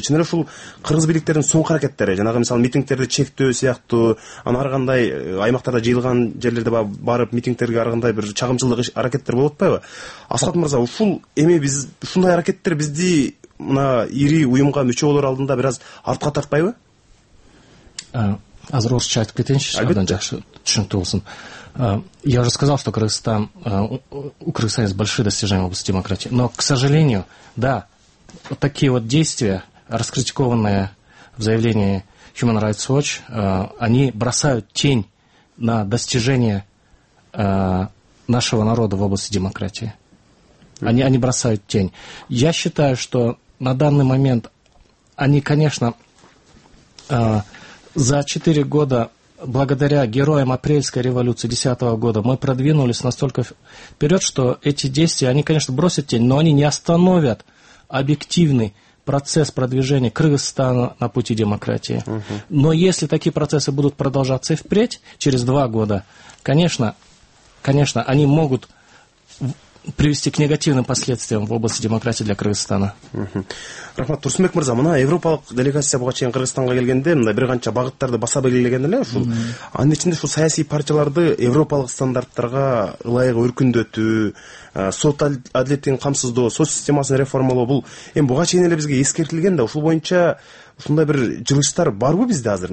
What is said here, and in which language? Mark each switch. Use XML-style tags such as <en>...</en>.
<ky>Чын эле ушул кыргыз бийликтеринин соңку аракеттери, жанагы мисалы митингдерди чектөө сыяктуу, анан ар кандай аймактарда жыйылган жерлерде барып митингдерге ар кандай бир чагымчылык аракеттер болуп атпайбы? Асхат мырза, ушул эми биз ушундай аракеттер бизди мына ири уюмга мүчө болор алдында бир аз артка тартпайбы? Азыр орусча айтып кетейинчи, абдан жакшы түшүнүктүү болсун.</ky> <ru>Я уже сказал, что Кыргызстан, у Кыргызстана есть большие достижения в области демократии. Но, к сожалению, да, вот такие вот действия, раскритикованные в заявлении Human Rights Watch, они бросают тень на достижения нашего народа в области демократии. Они бросают тень. Я считаю, что на данный момент они, конечно, за 4 года... Благодаря героям апрельской революции 10-го года мы продвинулись настолько вперед, что эти действия, они, конечно, бросят тень, но они не остановят объективный процесс продвижения Кыргызстана на пути демократии. Угу. Но если такие процессы будут продолжаться и впредь, через 2 года, конечно, они могут привести к негативным последствиям в области демократии для Кыргызстана.</ru> <ky>Рахмат. Турсунбек мырза, мына европалык делегация буга чейин Кыргызстанга келгенде мындай бир канча багыттарды баса белгилеген эле ушул анын ичинде ушул саясий партияларды европалык стандарттарга ылайык өркүндөтүү, сот адилеттигин камсыздоо, сот системасын реформалоо, бул эми буга чейин эле бизге эскертилген да, ушул боюнча ушундай бир жылыштар барбы бизде азыр?</ky>